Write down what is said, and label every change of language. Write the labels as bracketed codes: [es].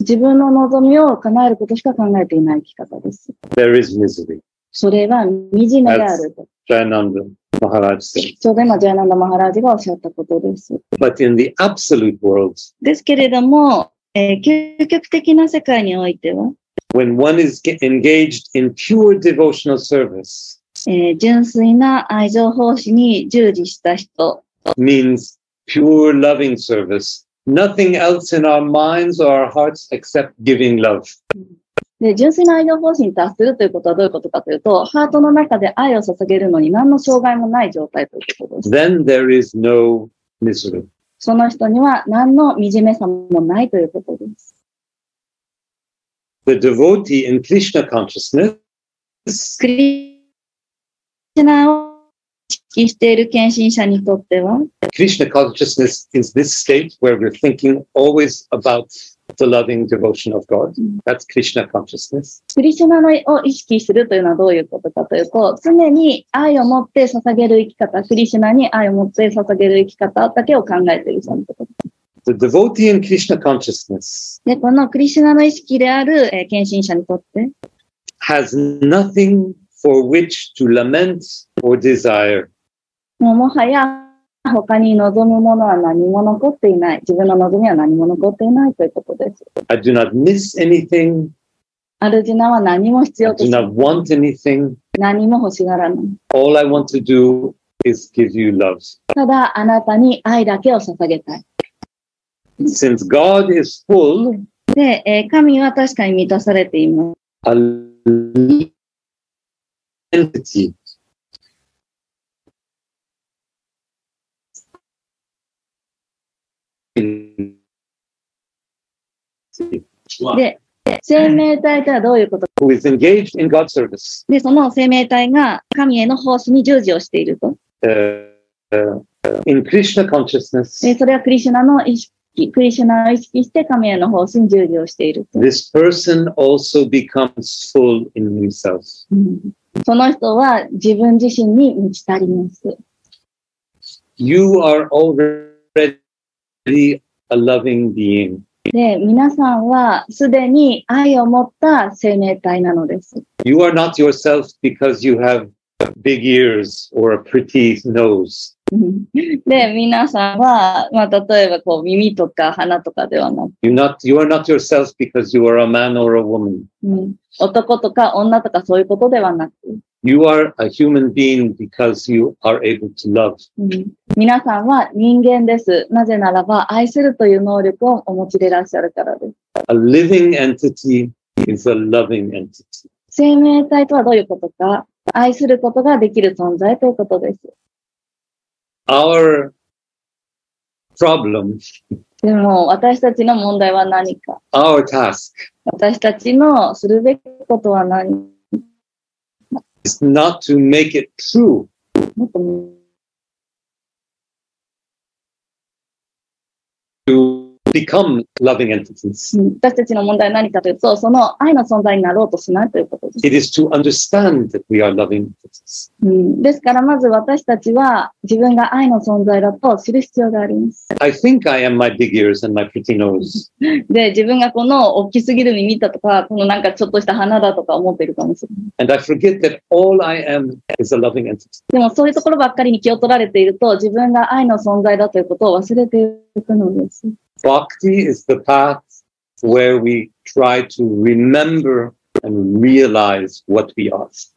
[ja] 自分の望みを叶えることしか考えていない生き方です。 [en] There is misery. [ja] それは惨めであると。 [en] Jayananda Maharaj said. [ja] ちょうど今、Jayananda Maharajがおっしゃったことです。 [en] But in the absolute world, [ja] ですけれども、究極的な世界においては、 [en] when one is engaged in pure devotional service, [ja] 純粋な愛情奉仕に従事した人、 [en] means pure loving service. Nothing else in our minds or our hearts except giving love. [ja] で純粋な愛情方針に達するということはどういうことかというと、ハートの中で愛を捧げるのに何の障害もない状態ということです。 [en] Then there is no misery. [ja] その人には何の惨めさもないということです。 [en] The devotee in Krishna consciousness, [ja] クリシナを意識している献身者にとっては、 [en] Krishna consciousness is this state where we're thinking always aboutThe loving devotion of God. That's Krishna consciousness. [ja] クリシュナを意識するというのはどういうことかというと、常に愛を持って捧げる生き方、クリシュナに愛を持って捧げる生き方だけを考えているそのこと。 [en] The devotee in Krishna consciousness. [ja] で、このクリシュナの意識である、献身者にとって、 [en] has nothing for which to lament or desire. [ja] もうもはや他に望むものは何も残っていない。自分の望みは何も残っていないということです。 [en] I do not miss anything. [ja] アルジナは何も必要と [en] し。I do not want anything. [ja] 何も欲しがらない。 [en] All I want to do is give you love. [ja] ただあなたに愛だけを捧げたい。 [en] Since God is full. [ja] で、神は確かに満たされています。 [en] A entity. [ja] で、生命体とはどういうこと [en] か。Who is engaged in God's service. [ja] で、その生命体が神への奉仕に従事をしていると。 [en] In Krishna consciousness. [ja] それはクリシュナの意識クリシュナを意識して神への方針従事をしている。 [en] This person also becomes full in himself. [ja] その人は自分自身に満ち足ります。 [en] You are already a loving being. [ja] で、皆さんはすでに愛を持った生命体なのです。 [en] You are not yourself because you have big ears or a pretty nose. [ja] で、皆さんは、まあ、例えばこう耳とか鼻とかではなく。 [en] You are not yourself because you are a man or a woman. [ja] 男とか女とかそういうことではなく。 [en] You are a human being because you are able to love. [ja] 皆さんは人間です。なぜならば愛するという能力をお持ちでいらっしゃるからです。 [en] A living entity is a loving entity. [ja] 生命体とはどういうことか。愛することができる存在ということです。 [en] Our problem. [ja] でも私たちの問題は何か。 [en] Our task. [ja] 私たちのするべきことは何か。 [en] It's not to make it true. To become loving entities. [ja] 私たちの問題は何かというと、その愛の存在になろうとしないということです。 [en] It is to understand that we are loving entities. [ja] ですから、まず私たちは自分が愛の存在だと知る必要があります。 [en] I think I am my big ears and my pretty nose. [ja] で、自分がこの大きすぎる耳だとか、このなんかちょっとした鼻だとか思っているかもしれない。 [en] And I forget that all I am is a loving entity. [ja] でも、そういうところばっかりに気を取られていると、自分が愛の存在だということを忘れていくのです。 [en] Bhakti is the path where we try to remember and realize what we are.